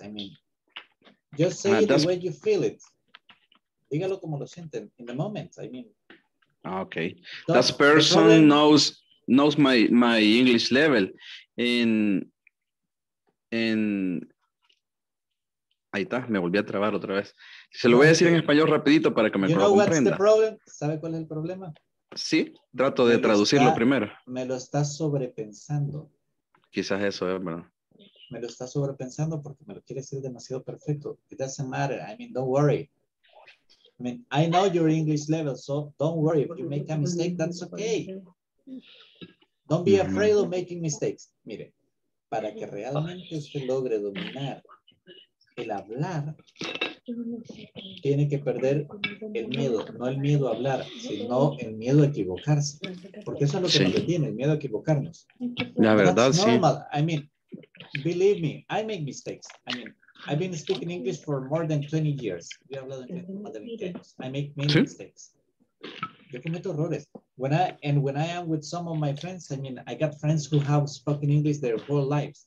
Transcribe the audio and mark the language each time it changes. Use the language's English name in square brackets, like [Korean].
[English] I mean, just say it the way you feel it. [Spanish] Dígalo como lo sienten [English] in the moment. I mean, okay, that person knows my English level, and [Spanish] and ahí está, me volví a trabar otra vez. Se lo voy a decir en español rapidito para que me comprenda. [English] You know what's the problem? [Spanish] ¿Sabe cuál es el problema? Sí, trato de traducirlo primero. Me lo está sobrepensando. Quizás eso es, ¿verdad? Me lo está sobrepensando porque me lo quiere decir demasiado perfecto. [English] It doesn't matter. I mean, don't worry. I mean, I know your English level, so don't worry. If you make a mistake, that's okay. Don't be afraid of making mistakes. [Spanish] Mire, para que realmente usted logre dominar el hablar, tiene que perder el miedo, no el miedo a hablar, sino el miedo a equivocarse, porque eso es lo que nos detiene, el miedo a equivocarnos. La verdad, sí. [English] I mean, believe me, I make mistakes. I mean, I've been speaking English for more than 20 years. [Spanish] Yo he hablado inglés más de 20 años. [English] I make many mistakes. [Spanish] Yo cometo errores. [English] When I am with some of my friends, I mean, I got friends who have spoken English their whole lives.